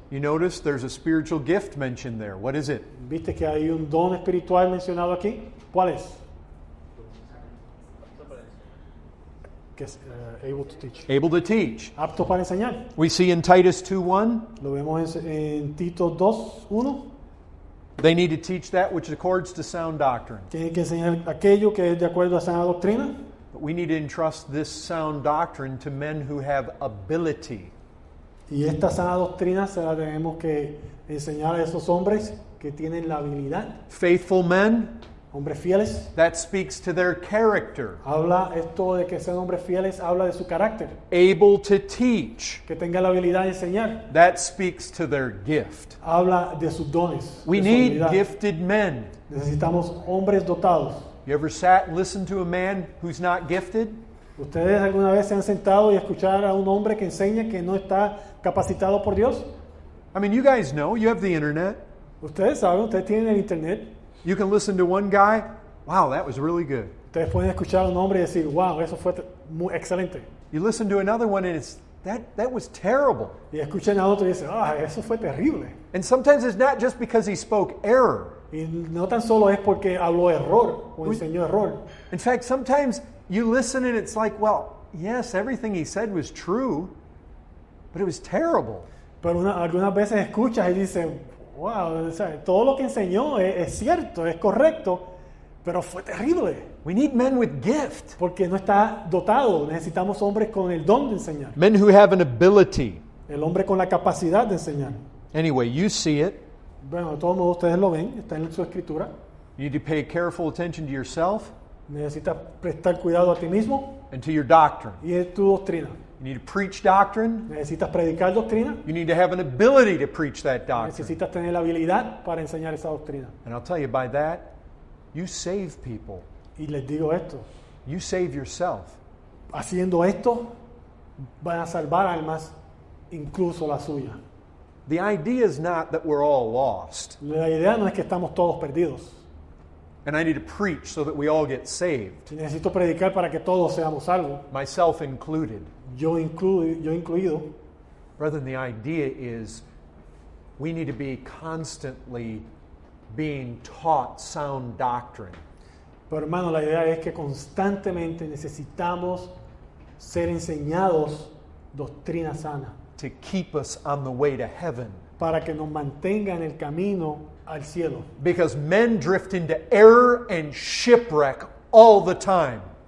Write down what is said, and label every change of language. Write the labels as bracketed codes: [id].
[en] You notice there's a spiritual gift mentioned there. What is it? [es] ¿Viste que hay un don espiritual mencionado aquí? ¿Cuál es? [en] Able to teach. Able to teach. [es] Apto para enseñar. [en] We see in Titus 2:1. [es] Lo vemos en Tito 2:1. [en] They need to teach that which accords to sound doctrine. [es] Tienen que enseñar aquello que es de acuerdo a sana doctrina. [en] But we need to entrust this sound doctrine to men who have ability. [es] Y esta sana doctrina se la tenemos que enseñar a esos hombres que tienen la habilidad. [en] Faithful men. [es] Hombres fieles. [en] That speaks to their character. [es] Habla esto de que sean hombres fieles, habla de su carácter. [en] Able to teach. [es] Que tenga la habilidad de enseñar. [en] That speaks to their gift. [es] Habla de sus dones. [en] We need gifted men. [es] Necesitamos hombres dotados. [en] You ever sat and listened to a man who's not gifted? [es] ¿Ustedes alguna vez se han sentado y escuchar a un hombre que enseña que no está capacitado por Dios? [en] I mean, you guys know, you have the internet. [es] Ustedes saben, ustedes tienen el internet. [en] You can listen to one guy. Wow, that was really good. [es] Ustedes pueden escuchar a un hombre y decir, wow, eso fue muy excelente. [en] You listen to another one and it's that was terrible. [es] Y escuchan a otro y dicen, ah, eso fue terrible. [en] And sometimes it's not just because he spoke error. [es] Y no tan solo es porque habló error o enseñó error. [en] In fact, sometimes you listen and it's like, well, yes, everything he said was true, but it was terrible. [es] Pero algunas veces escuchas y dices, wow, o sea, todo lo que enseñó es cierto, es correcto, pero fue terrible. [en] We need men with gift. [es] Porque no está dotado. Necesitamos hombres con el don de enseñar. [en] Men who have an ability. [es] El hombre con la capacidad de enseñar. [en] Anyway, you see it. [es] Bueno, de todos modos, ustedes lo ven. Está en su escritura. [en] You need to pay careful attention to yourself. [es] Necesitas prestar cuidado a ti mismo. [en] And to your doctrine. [es] Y a tu doctrina. [en] You need to preach doctrine. [es] Necesitas predicar doctrina. [en] You need to have an ability to preach that doctrine. [es] Necesitas tener la habilidad para enseñar esa doctrina. [en] And I'll tell you, by that, you save people. [es] Y les digo esto. [en] You save yourself. [es] Haciendo esto, van a salvar almas, incluso la suya. [en] The idea is not that we're all lost. [es] La idea no es que estamos todos perdidos. [en] And I need to preach so that we all get saved. [es] Necesito predicar para que todos seamos salvos. [en] Myself included. [es] Yo incluido. [en] Brethren, the idea is we need to be constantly being taught sound doctrine. [es] Pero hermano, la idea es que constantemente necesitamos ser enseñados doctrina sana. [en] To keep us on the way to heaven. [es] Para que nos mantenga en el camino al cielo. [en] Because men drift into error and shipwreck all the time.